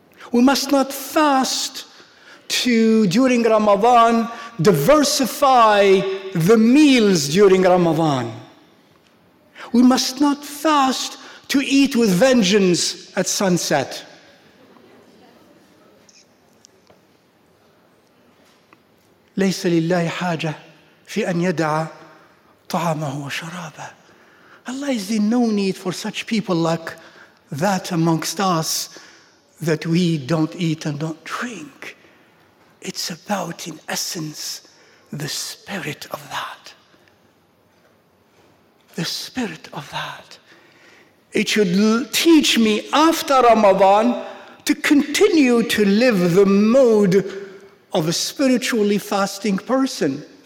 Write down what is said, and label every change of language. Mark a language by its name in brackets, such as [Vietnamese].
[English] We must not fast to, during Ramadan, diversify the meals during Ramadan. We must not fast to eat with vengeance at sunset. [Arabic] ليس لله حاجة في أن يدع طعامه وشرابه. [English] Allah is in no need for such people like that amongst us that we don't eat and don't drink. It's about, in essence, the spirit of that. The spirit of that. It should teach me after Ramadan to continue to live the mode of a spiritually fasting person.